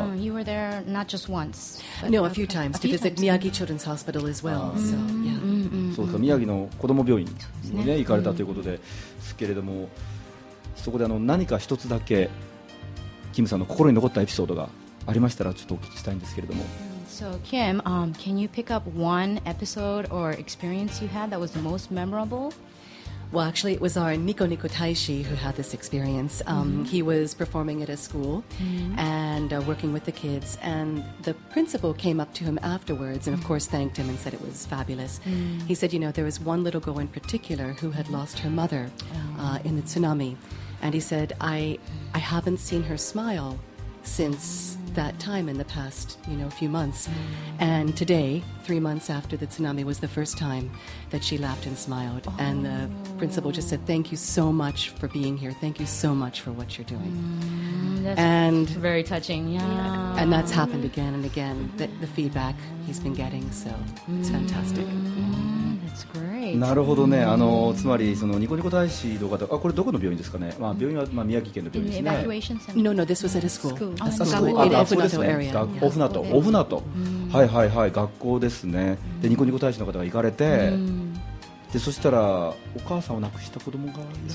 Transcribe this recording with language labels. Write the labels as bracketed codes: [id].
[en] So, you were there not just once. No, a few times to visit Miyagi Children's Hospital as well. So, yeah. [ja] そうか、宮城の子ども病院に、ね、行かれたということですけれども、そこで何か一つだけキムさんの心に残ったエピソードがありましたら、ちょっとお聞きしたいんですけれども。 [en] So, Kim, can you pick up one episode or experience you had that was the most memorable? Well, actually, it was our Niko Niko Taishi who had this experience. He was performing at a school and working with the kids. And the principal came up to him afterwards and, of course, thanked him and said it was fabulous. He said, you know, there was one little girl in particular who had lost her mother in the tsunami. And he said, I haven't seen her smile since that time in the past, you know, a few months. And today, 3 months after the tsunami, was the first time that she laughed and smiled. And the principal just said, thank you so much for being here. Thank you so much for what you're doing. That's and very touching. Yeah. And that's happened again and again, the feedback he's been getting. So it's fantastic. That's That's great. [ja] なるほどね。あのつまりそのニコニコ大使の方、あ、これどこの病院ですかね。まあ病院は、まあ、宮城県の病院ですね。 [en] No, no, this was at a school. [ja] あ、学校ですね。学校ですね。オフナト。はいはいはい、学校ですね。でニコニコ大使の方が行かれて、でそしたらお母さんを亡くした子供がいらっしゃった。